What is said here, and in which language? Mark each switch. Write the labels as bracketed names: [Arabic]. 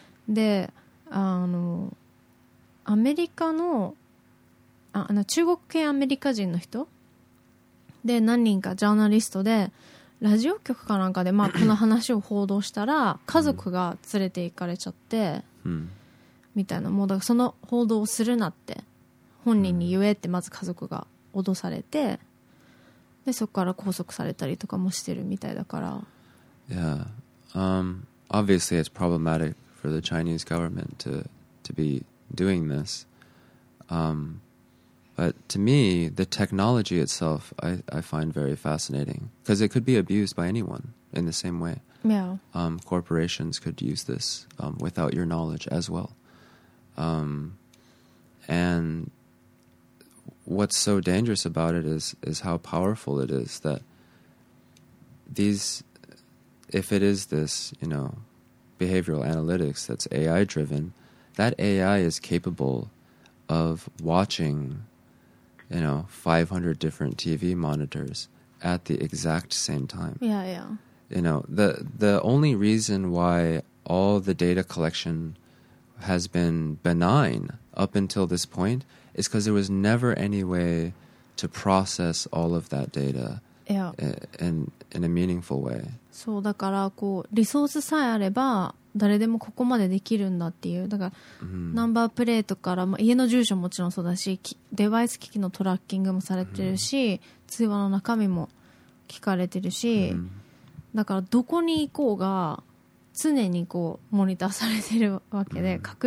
[Japanese] であのアメリカの、あの中国系アメリカ人の人で何人かジャーナリストでラジオ局かなんかで、まあ、この話を報道したら家族が連れて行かれちゃって、うん、みたいな、もうだからその報道をするなって本人に言えってまず家族が脅されて、でそこから拘束されたりとかもしてるみたいだから、 [English] Yeah、obviously it's problematic for the Chinese government to be doing this、But to me, the technology itself, I find very fascinating. Because it could be abused by anyone in the same way. Yeah. Corporations could use this without your knowledge as well. And what's so dangerous about it is how powerful it is that these, if it is this, you know, behavioral analytics that's AI-driven, that AI is capable of watching... You know, 500 different TV monitors at the exact same time. Yeah, yeah. You know, the only reason why all the data collection has been benign up until this point is because there was never any way to process all of that data in a meaningful way. [Japanese] そうだからこうリソースさえあれば誰でもここまでできるんだっていう、だから、mm-hmm. ナンバープレートから、まあ、家の住所 もちろんそうだし、デバイス機器のトラッキングもされてるし、mm-hmm. 通話の中身も聞かれてるし、mm-hmm. だからどこに行こうが常にこうモニターされてるわけで、mm-hmm.